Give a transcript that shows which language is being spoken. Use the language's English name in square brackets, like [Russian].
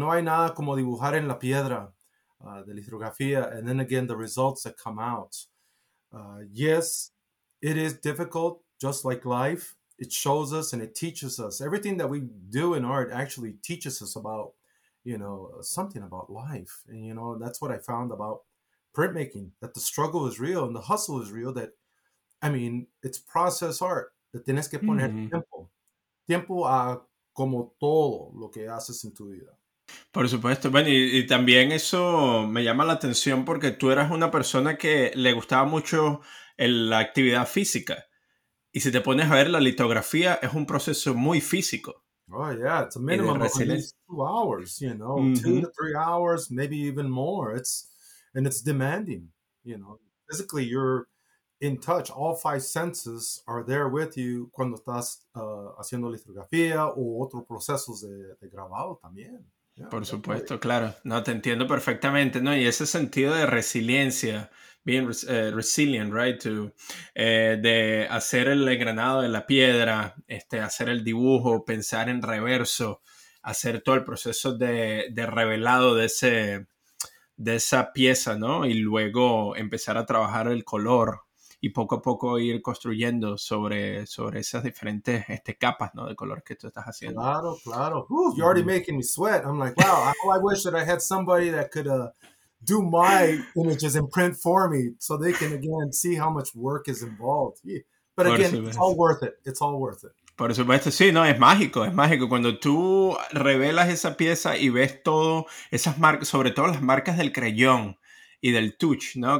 [Spanish] No hay nada como dibujar en la piedra de litografía. [English] And then again, the results that come out. Yes, it is difficult, just like life. It shows us and it teaches us. Everything that we do in art actually teaches us about, you know, something about life. And, you know, that's what I found about printmaking, that the struggle is real and the hustle is real. That, I mean, it's process art. That [Spanish] tienes que poner tiempo. Tiempo a como todo lo que haces en tu vida. Por supuesto. Bueno, y también eso me llama la atención porque tú eras una persona que le gustaba mucho la actividad física. Y si te pones a ver, la litografía es un proceso muy físico. [English] Oh, yeah. It's a minimum of at least 2 hours, you know. Mm-hmm. 2 to 3 hours, maybe even more. It's demanding, you know. Physically, you're in touch. All 5 senses are there with you [Spanish] cuando estás haciendo litografía o otros procesos de grabado también. Yeah, por supuesto, claro. No, te entiendo perfectamente, ¿no? Y ese sentido de resiliencia, [English] being resilient, right? [Spanish] De hacer el engranado de la piedra, hacer el dibujo, pensar en reverso, hacer todo el proceso de revelado de esa pieza, ¿no? Y luego empezar a trabajar el color y poco a poco ir construyendo sobre esas diferentes capas, ¿no?, de color que tú estás haciendo. Claro, claro. [English] Ooh, you're already making me sweat. I'm like, wow, how I wish that I had somebody that could do my images and print for me so they can, again, see how much work is involved. But again, it's all worth it. It's all worth it. [Spanish] Por supuesto, sí, no, es mágico. Cuando tú revelas esa pieza y ves todo, esas marcas, sobre todo las marcas del creyón, y del touch, ¿no?